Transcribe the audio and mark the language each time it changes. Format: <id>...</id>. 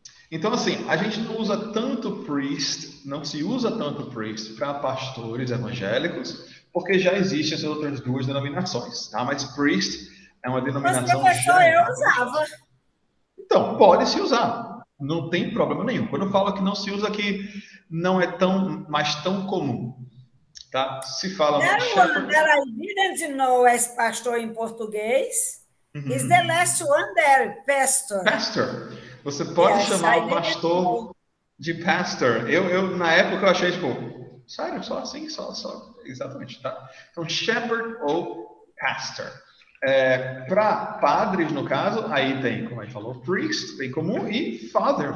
<pt>Então, assim, a gente não usa tanto priest, não se usa tanto priest para pastores evangélicos, porque já existem essas outras duas denominações, tá? Mas priest... é uma denominação. Mas professor, eu usava. Então, pode se usar. Não tem problema nenhum. Quando eu falo que não se usa, que não é tão, mas tão comum. Tá? Se fala mais.</pt> <en>The one that I didn't know as pastor in português is the last one there, pastor.</en> <pt>Pastor. Você pode chamar o pastor de pastor. Eu na época, eu achei, tipo, sério, só assim, só. Exatamente, tá? Então, shepherd ou pastor. Para padres, no caso, aí tem, como a gente falou, priest, bem comum, e father.</pt>